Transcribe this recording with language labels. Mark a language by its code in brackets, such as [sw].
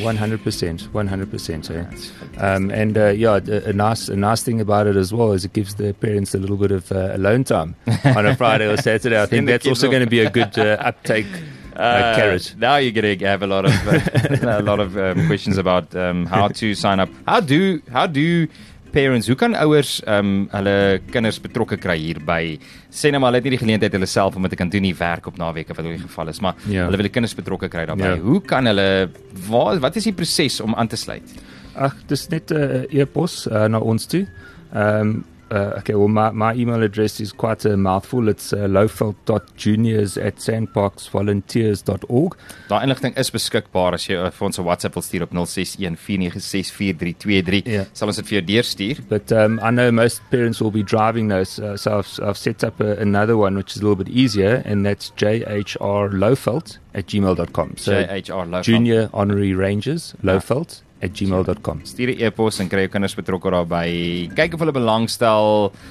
[en] 100%, 100%. Yeah. A nice thing about it as well is it gives the parents a little bit of alone time on a Friday or Saturday. I think that's also going to be a good uptake. Carrot. Now you're going to have a lot of questions about how to sign up. How do parents, [af] hoe kan ouers hulle kinders betrokke kry hier by, sê nou maar hulle het nie die geleentheid hulle self om dit te kan doen nie, werk op naweke wat in die geval is, maar hulle wil die kinders betrokke kry daarbye. [en] Yeah. [af] Hoe kan hulle, wat is die proses om aan te sluit? Ag, dis net 'n e-pos na ons toe. [en] My email address is quite a mouthful. It's loufeld.juniors@sandparksvolunteers.org. [af] Daai inligting is beskikbaar as jy vir ons 'n WhatsApp wil stuur op 0614964323. [en] Yeah. [af] Sal ons dit vir jou deurstuur. [en] But I know most parents will be driving those, so I've set up another one which is a little bit easier, and that's jhrloufeld@gmail.com. So jhrloufeld. Junior Honorary Rangers, Loufeld. @gmail.com. [af] Stuur die e-pos en kry jou kinders betrokke daarby. Kyk of hulle belangstel.